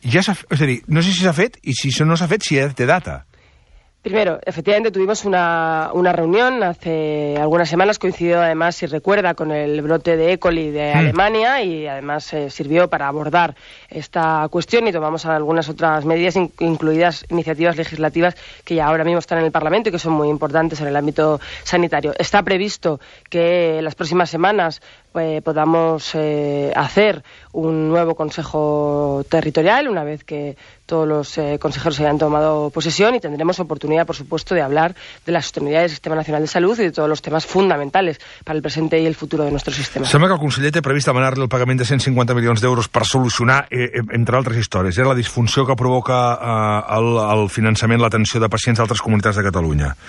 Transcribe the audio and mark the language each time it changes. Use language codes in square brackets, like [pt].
[ca] Ja s'ha, és a dir, no sé si s'ha fet i si això no s'ha fet, si té data. [es] Primero, efectivamente tuvimos una reunión hace algunas semanas, coincidió además, si recuerda, con el brote de E. coli de Alemania y además sirvió para abordar esta cuestión y tomamos algunas otras medidas, incluidas iniciativas legislativas que ya ahora mismo están en el Parlamento y que son muy importantes en el ámbito sanitario. Está previsto que las próximas semanas podamos hacer un nuevo consejo territorial una vez que todos los consejeros hayan tomado posesión y tendremos oportunidad, por supuesto, de hablar de la sostenibilidad del Sistema Nacional de Salud y de todos los temas fundamentales para el presente y el futuro de nuestro sistema. [ca] Sembla que el conseller té previst demanar-li el pagament de 150 milions d'euros per solucionar, entre altres històries, la disfunció que provoca el finançament, l'atenció de pacients d'altres comunitats de Catalunya.